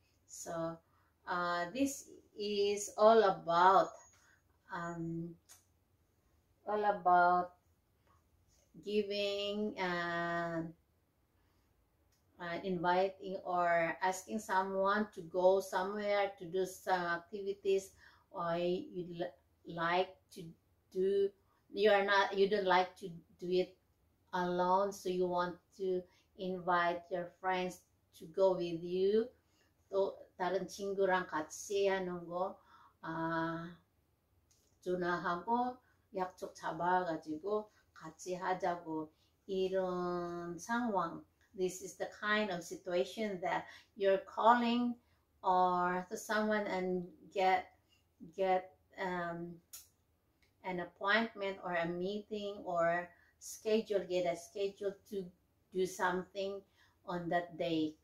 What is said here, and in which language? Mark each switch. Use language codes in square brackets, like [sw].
[en] So this is all about giving and inviting or asking someone to go somewhere to do some activities or you'd like to do. You don't like to do it alone, so you want to invite your friends to go with you. [ko] 또 다른 친구랑 같이 하는 거, 전화하고 약속 잡아가지고 같이 하자고 이런 상황. [en] This is the kind of situation that you're calling or to someone and get an appointment or a meeting or schedule, get a schedule to do something on that day.